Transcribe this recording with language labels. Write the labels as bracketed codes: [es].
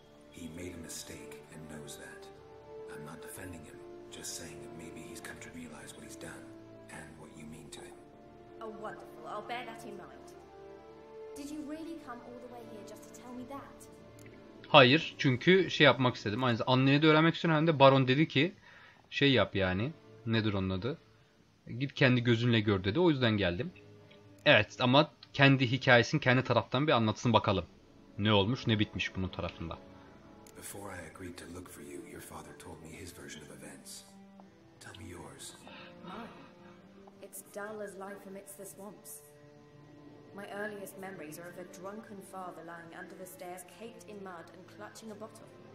[en] He made a mistake and knows that. I'm not defending him, just saying that maybe he's come to realize what he's done and what you mean to him. Oh, wonderful. I'll bear that in mind. Did you really come all the way here just to tell me that? [tr] Hayır, çünkü şey yapmak istedim. Aynı zamanda anneni de öğrenmek istedim. Hem de Baron dedi ki şey yap yani. Nedir onun adı? Git kendi gözünle gör dedi. O yüzden geldim. Evet ama kendi hikayesini kendi taraftan bir anlatsın bakalım. Ne olmuş ne bitmiş bunun tarafında. [en] Before I agreed to look for you, your father told me his version of events. Tell me yours. Mine. It's dull as life amidst the swamps. My earliest memories are of a drunken father lying under the stairs, caked in mud and clutching a bottle.